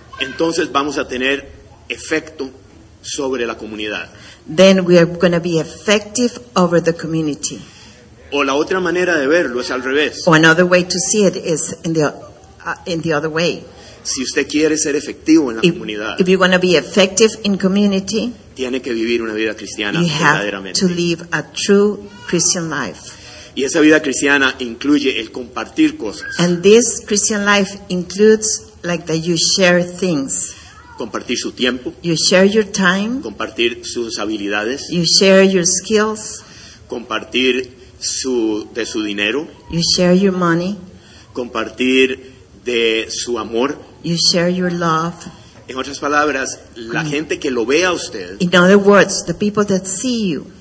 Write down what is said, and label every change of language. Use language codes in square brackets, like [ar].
[es] entonces vamos a tener efecto sobre la comunidad. [en] Then we are going to be effective over the community. [es] O la otra manera de verlo es al revés. [en] Or another way to see it is in the other way. [es] Si usted quiere ser efectivo en la comunidad, [en] if you're going to be effective in community, [es] tiene que vivir una vida cristiana [en] you [es] verdaderamente. [en] To live a true Christian life. [es] Y esa vida cristiana incluye el compartir cosas. [en] And this Christian life includes like that you share things. [es] Compartir su tiempo. [en] You share your time. [es] Compartir sus habilidades. [en] You share your skills. [es] Compartir su dinero. [en] You share your money. [es] Compartir de su amor. [en] You share your love. [es] En otras palabras, la gente que lo vea a usted. [en] In other words, the people that see you.